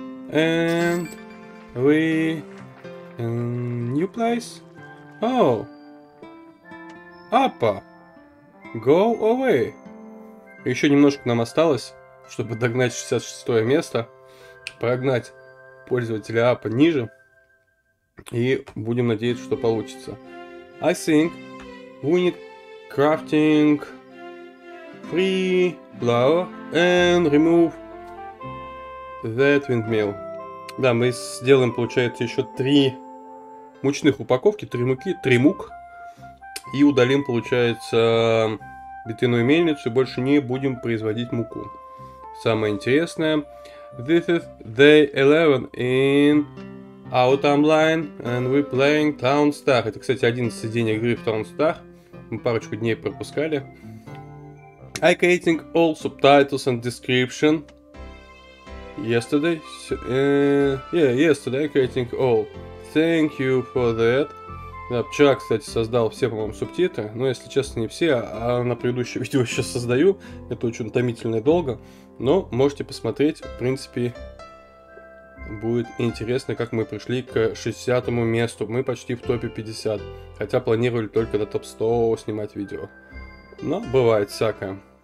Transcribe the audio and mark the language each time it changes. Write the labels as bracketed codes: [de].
[en] And we in new place? Oh! Appa! Go away! [ru] Еще немножко нам осталось, чтобы догнать 66-е место, прогнать пользователя аппа ниже, и будем надеяться, что получится. [en] I think we need crafting free flower and remove that windmill. [ru] Да, мы сделаем, получается, еще 3 мучных упаковки, 3 муки, 3 мук, и удалим, получается, ветряную мельницу, больше не будем производить муку. Самое интересное. [en] This is day 11 in our timeline, and we're playing TownStar. [ru] Это, кстати, 11 день игры в TownStar. Мы парочку дней пропускали. [en] I creating all subtitles and description yesterday. Yesterday I creating all. Thank you for that. [ru] Да, вчера, кстати, создал все, по-моему, субтитры, но, если честно, не все, а на предыдущее видео сейчас создаю, это очень утомительно и долго, но можете посмотреть, в принципе, будет интересно, как мы пришли к 60-му месту, мы почти в топе 50, хотя планировали только до топ 100 снимать видео, но бывает всякое.